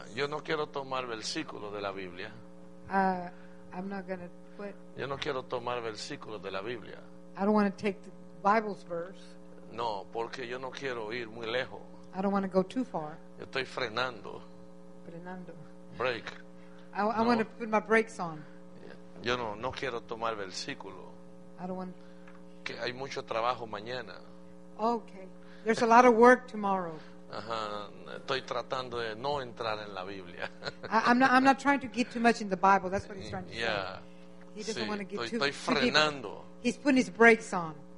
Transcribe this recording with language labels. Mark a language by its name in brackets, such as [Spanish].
[Spanish] Yo no quiero tomar versículo de la Biblia. [English] I'm not going to put. [Spanish] Yo no quiero tomar versículo de la Biblia. [English] I don't want to take the Bible's verse. [Spanish] No, porque yo no quiero ir muy lejos. [English] I don't want to go too far. [Spanish] Yo estoy frenando. Frenando. [English] Break. I want to put my brakes on. [Spanish] Yo no quiero tomar versículo. [English] I don't want. [Spanish] Que hay mucho trabajo mañana. [English] Okay. There's a lot of work tomorrow. [Spanish] Estoy tratando de no entrar en la Biblia. [English] I'm not trying to get too much in the Bible. That's what he's trying to say. Yeah. He doesn't [Spanish] sí, [English] want to get [Spanish] estoy, [English] too. [Spanish] Estoy frenando. [English] Too he's putting his brakes on.